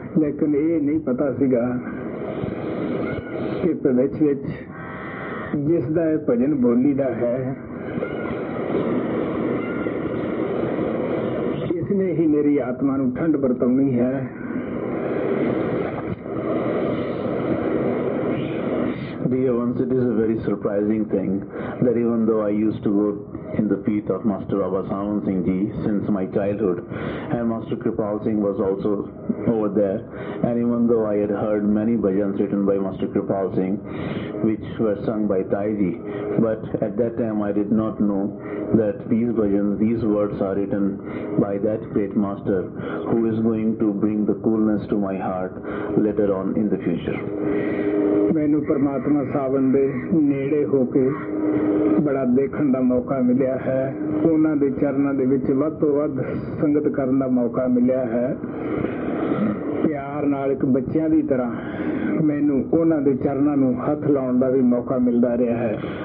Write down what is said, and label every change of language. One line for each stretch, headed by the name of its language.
Punjabi: ਲੇਕਿਨ ਇਹ ਨਹੀਂ ਪਤਾ ਸੀਗਾ ਕਿ ਭਵਿੱਖ ਵਿੱਚ ਜਿਸ ਦਾ ਇਹ ਭਜਨ ਬੋਲੀ ਦਾ ਹੈ, ਇਸਨੇ ਹੀ ਮੇਰੀ ਆਤਮਾ ਨੂੰ ਠੰਡ ਵਰਤਾਉਣੀ ਹੈ।
English: Dear ones, it is a very surprising thing that even though I used to go in the feet of Master Baba Savan Singh Ji since my childhood, and Master Kirpal Singh was also over there, and even though I had heard many bhajans written by Master Kirpal Singh which were sung by Tai Ji, but at that time I did not know that these bhajans, these words are written by that great master who is going to bring the coolness to my heart later on in the future.
Punjabi: ਮੈਨੂੰ ਪਰਮਾਤਮਾ ਸਾਵਨ ਦੇ ਨੇੜੇ ਹੋ ਕੇ ਬੜਾ ਦੇਖਣ ਦਾ ਮੌਕਾ ਮਿਲਿਆ ਹੈ, ਉਹਨਾਂ ਦੇ ਚਰਨਾਂ ਦੇ ਵਿੱਚ ਵੱਧ ਤੋਂ ਵੱਧ ਸੰਗਤ ਕਰਨ ਦਾ ਮੌਕਾ ਮਿਲਿਆ ਹੈ। ਪਿਆਰ ਨਾਲ ਇੱਕ ਬੱਚਿਆਂ ਦੀ ਤਰ੍ਹਾਂ ਮੈਨੂੰ ਉਹਨਾਂ ਦੇ ਚਰਨਾਂ ਨੂੰ ਹੱਥ ਲਾਉਣ ਦਾ ਵੀ ਮੌਕਾ ਮਿਲਦਾ ਰਿਹਾ ਹੈ।